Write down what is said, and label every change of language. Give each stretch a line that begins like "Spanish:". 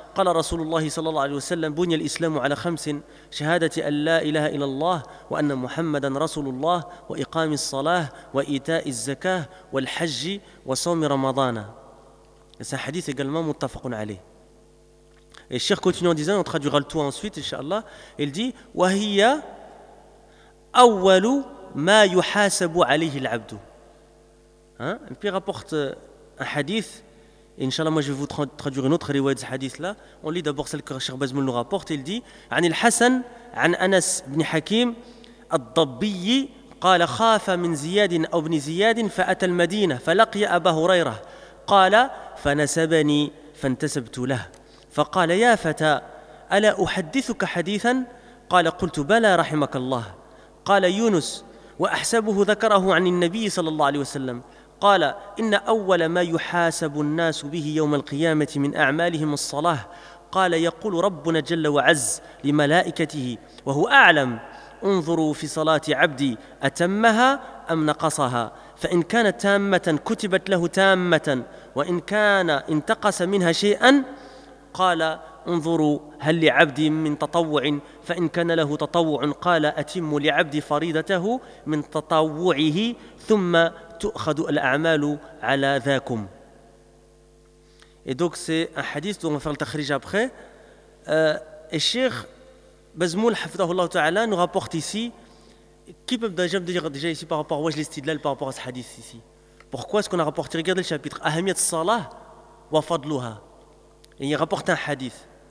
Arabic: قال رسول الله صلى الله عليه وسلم بني الإسلام على خمس: شهادة أن لا إله إلا الله وأن محمدا رسول الله وإقام الصلاة وإيتاء الزكاة والحج وصوم رمضان.
French: C'est un hadith également muttafaqun alayh. Et le cheikh continue en disant, on traduira le tout ensuite, inshallah, il dit:
Arabic: wa hiya awwalu ma yuhasabu alayhi al-'abdu.
French: Hein? Et puis il rapporte un hadith, et inshallah moi je vais vous traduire une autre riwayat de ce hadith là. On lit d'abord celle que le cheikh Bazmoul nous rapporte, il dit:
Arabic: 'An al-Hasan 'an Anas ibn Hakim ad-Dabbi qala khafa min Ziyad aw ibn Ziyad fa ata al-Madinah fa laqiya Abu Hurairah qala فنسبني فانتسبت له فقال يا فتى ألا أحدثك حديثا قال قلت بلى رحمك الله قال يونس وأحسبه ذكره عن النبي صلى الله عليه وسلم قال إن أول ما يحاسب الناس به يوم القيامة من أعمالهم الصلاة قال يقول ربنا جل وعز لملائكته وهو أعلم انظروا في صلاة عبدي أتمها أم نقصها فإن كانت تامة كتبت له تامة وإن كان انتقص منها شيئا قال انظروا هل لعبدي من تطوع فإن كان له تطوع قال أتم لعبدي فريضته من تطوعه ثم تؤخذ الأعمال على ذاكم.
French: Et donc c'est un hadith dont on va faire le takhrij après. Et Cheikh Bazmoul, hafidhahullah ta'ala, nous rapporte ici. Qui peut déjà me dire déjà ici par rapport à Wajl Istidlal, par rapport à ce hadith ici? Pourquoi est-ce qu'on a rapporté? Regardez le chapitre. Ahamiyat Salah wa Fadluha. Et il rapporte un hadith.